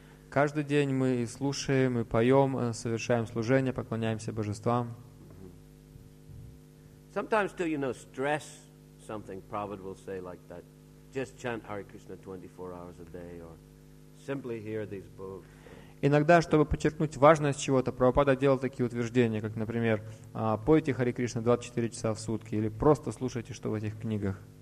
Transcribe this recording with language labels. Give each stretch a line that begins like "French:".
Russian: Каждый день мы слушаем, мы поем, совершаем служение, поклоняемся божествам.
English: Sometimes too, you know, stress something, Prabhupada will say like that. Just chant Hare Krishna 24 hours a day or simply hear these books.
Russian: Иногда, чтобы подчеркнуть важность чего-то, Прабхупада делал такие утверждения, как, например, «Пойте Харе Кришна 24 часа в сутки» или «Просто слушайте, что в этих книгах».